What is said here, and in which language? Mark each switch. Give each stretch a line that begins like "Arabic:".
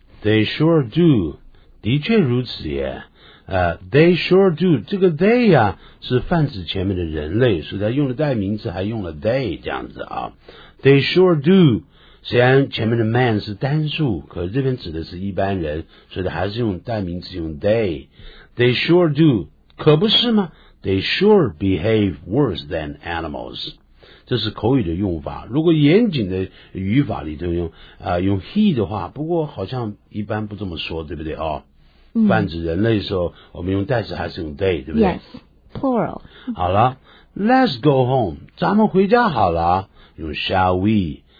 English: They sure do
Chinese: 的确如此耶
English: they sure do.
Chinese: 这个 they 啊是泛指前面的人类，所以他用了代名词，还用了 they 这样子啊。
English: They sure do.
Chinese: 虽然前面的 man 是单数，可这边指的是一般人，所以他还是用代名词用 they.
English: They sure do.
Chinese: 可不是吗？
English: They sure behave worse than animals.
Chinese: 这是口语的用法，如果严谨的语法里头用用 he 的话，不过好像一般不这么说，对不对啊？泛指人类的时候，我们用代词还是用 they， 对不对
English: ？Yes, plural。
Chinese: 好了 ，
English: Let's go home，
Chinese: 咱们回家好了。用
English: shall we？